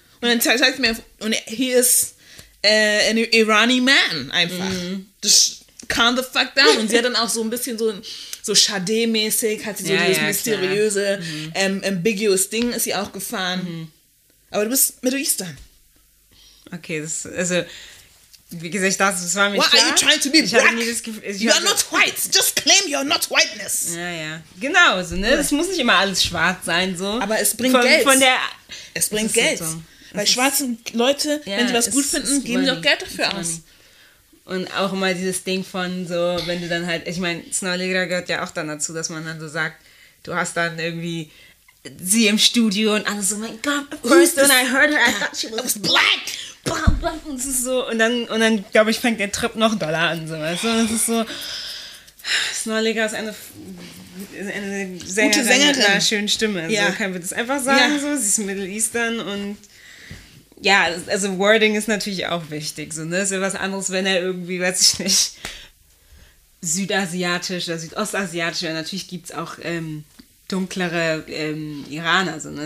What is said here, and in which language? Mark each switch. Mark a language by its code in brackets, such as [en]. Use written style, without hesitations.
[de] Und dann zeigt er mir, und [en] he is an Iranian man, einfach. Calm the fuck down. [de] Und sie hat dann auch so ein bisschen so Sade-mäßig, hat sie so dieses mysteriöse, ambiguous Ding, ist sie auch gefahren. Aber du bist Middle Eastern. Okay, wie gesagt, ich dachte, das war mir klar. [en] Why are you trying to be black? You are not white. Just claim your not whiteness. [de] Ja, ja. Genau, so, ne? Es muss nicht immer alles schwarz sein, so. Aber es bringt Geld. Es bringt Geld. So. Weil schwarzen Leute, wenn sie was gut finden, geben sie auch Geld dafür aus. Und auch immer dieses Ding von so, wenn du dann halt, ich meine, Snow Allegra gehört ja auch dann dazu, dass man dann so sagt, du hast dann irgendwie sie im Studio und alles so, mein Gott, [en] of course, when I heard her, I thought she was black. [de] Bam, bam, und es ist so, und dann, glaube ich, fängt der Trip noch doller an, so, weißt du, und es ist so, Snow Allegra ist eine Sängerin, gute Sängerin mit einer schönen Stimme, ja. So kann man das einfach sagen, so, sie ist Middle Eastern und ja, also Wording ist natürlich auch wichtig, so, ne? Ist ja was anderes, wenn er irgendwie, weiß ich nicht, südasiatisch oder südostasiatisch, weil natürlich gibt es auch dunklere Iraner, so, ne?